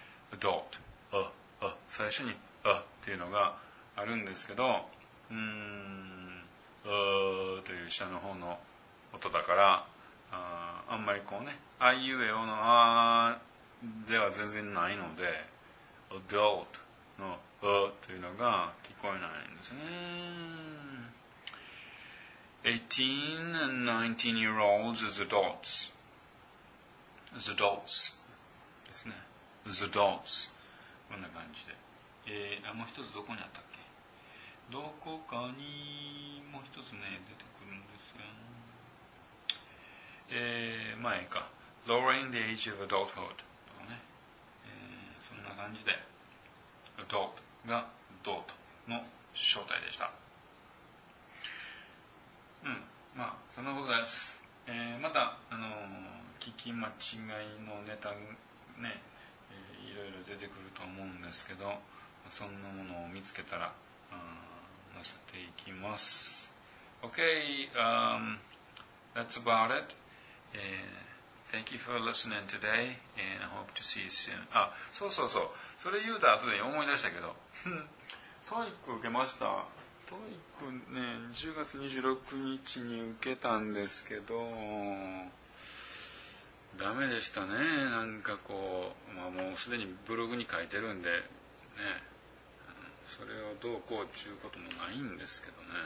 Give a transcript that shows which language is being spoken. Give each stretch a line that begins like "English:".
Japanese: Adult、 最初に a っていうのがあるんですけど、という下の方の音だから、あんまりこうね、あいうえおのあでは全然ないので、 Adult の a というのが聞こえないんですね。
English: 18 and 19 year olds as adults、 as adults
Japanese: ですね。
English: The dots、
Japanese: こんな感じで、もう一つどこにあったっけ、どこかにもう一つね出てくるんですよ、まあいいか。
English: Lowering the age of adulthood
Japanese: とかね、そんな感じで adult が dot の正体でした。まあそんなことです。また聞き間違いのネタね、いろいろ出てくると思うんですけど、そんなものを見つけたら載せていきます。
English: OK、That's about it、Thank you for listening today and I hope to see you soon。
Japanese: あ、そうそうそう、それ言うた後で思い出したけどトイック受けました。トイックね、10月26日に受けたんですけど、ダメでしたね。なんかこう、まあもうすでにブログに書いてるんで、ね、それをどうこうちゅうこともないんですけどね。